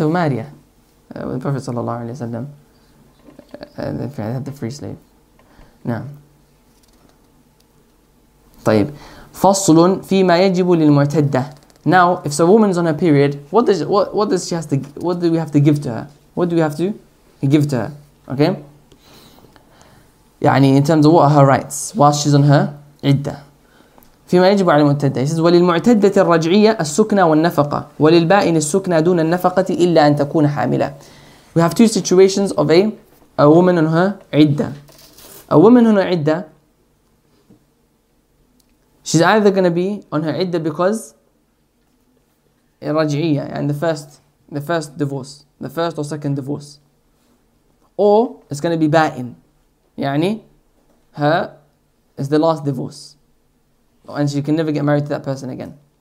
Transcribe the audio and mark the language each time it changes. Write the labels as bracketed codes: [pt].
[en] of Maria, the Prophet sallallahu alaihi wasallam, had the free slave. [ar] Now, طيب فصل فيما يجب للمعتدة. [en] Now, if a woman's on her period, what do we have to give to her? What do we have to give to her? Okay. يعني in terms of what are her rights while she's on her عدة. [ar] فيما يجب على المعتدة. [en] He says, [ar] وللمعتدة الرجعية السكنة والنفقة وللبائن السكنة دون النفقة إلا أن تكون حاملة. [en] We have two situations of a woman on her عدة. A woman on her عدة, she's either going to be on her عدة because الرجعية, and the first divorce, the first or second divorce, or it's going to be بائن, يعني her is the last divorce and she can never get married to that person again.